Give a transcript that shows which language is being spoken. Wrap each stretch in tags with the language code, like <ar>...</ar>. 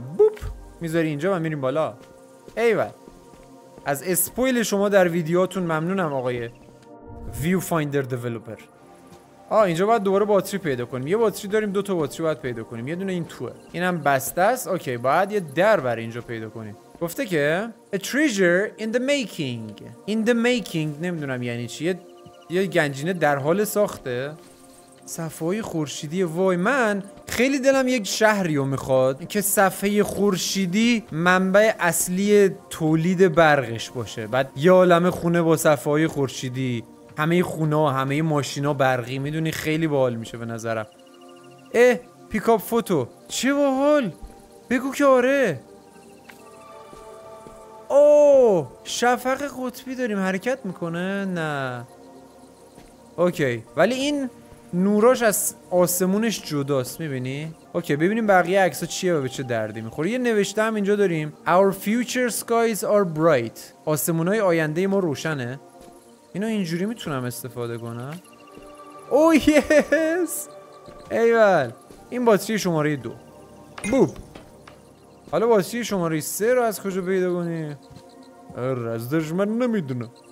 <fa>بوپ میذاری اینجا و میریم بالا. ایوه از اسپویل شما در ویدیوهاتون ممنونم آقای ویو فایندر دیولوپر. اینجا باید دوباره باتری پیدا کنیم. یه باتری داریم، دو تا باتری باید پیدا کنیم. یه دونه این توه. اینم بسته است. اوکی، باید یه در برای اینجا پیدا کنیم. گفته که</fa> <en>a treasure in the making. In the making</en> <fa>نمیدونم یعنی چی. یه گنجینه در حال ساخته. صفحه‌های خورشیدی. وای، من خیلی دلم یک شهری رو میخواد که صفحه خورشیدی منبع اصلی تولید برقش باشه. بعد یه عالمه خونه با صفحه‌های خورشیدی، همه خونه‌ها، همه ماشینا برقی. میدونی خیلی باحال میشه به نظرم. پیکاپ فوتو. چه باحال. بگو که آره. اوه، شفق قطبی داریم. حرکت میکنه؟ نه. اوکی، ولی این نوراش از آسمونش جداست، میبینی؟ اوکی، ببینیم بقیه عکس ها چیه و به چه دردی میخوره. یه نوشته هم اینجا داریم.</fa> <en>Our future skies are bright.</en> <fa>آسمون های آینده ما روشنه. اینو اینجوری میتونم استفاده کنم؟ اوه یس. ایول، این باتری شماره 2. بوب. حالا باتری شماره 3 رو از کجا پیدا کنیم؟ رزدش من نمیدونم.</fa>